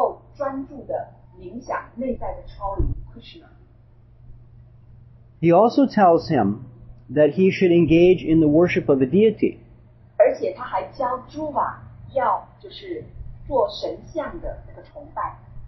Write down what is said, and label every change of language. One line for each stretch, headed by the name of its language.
Chinese: 因为瑜伽的锻炼最终的目的是帮助一个人能够专注地冥想内在的超灵 Krishna.
English: He also tells him that he should engage in the worship of the deity.
Chinese: 而且他还教诸法要就是做神像的那个崇拜。